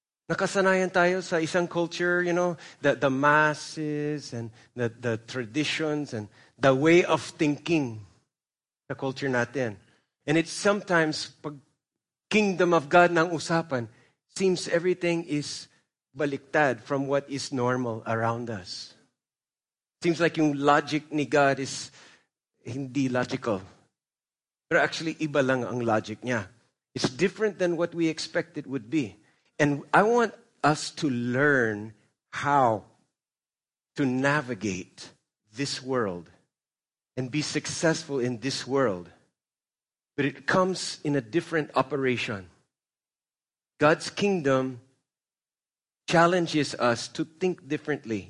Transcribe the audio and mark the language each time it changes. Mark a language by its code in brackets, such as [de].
[tl] Nakasanayan tayo sa isang [en] culture, you know, the masses and the traditions and the way of thinking, the culture [tl] natin. [en] And it's sometimes, [tl] pag [en] kingdom of God [tl] nang usapan, [en] seems everything is [tl] baliktad [en] from what is normal around us. Seems like [tl] yung [en] logic ni God is [tl] hindi [en] logical. [tl] Pero actually, iba lang ang logic niya. [en] It's different than what we expect it would be. And I want us to learn how to navigate this world and be successful in this world. But it comes in a different operation. God's kingdom challenges us to think differently.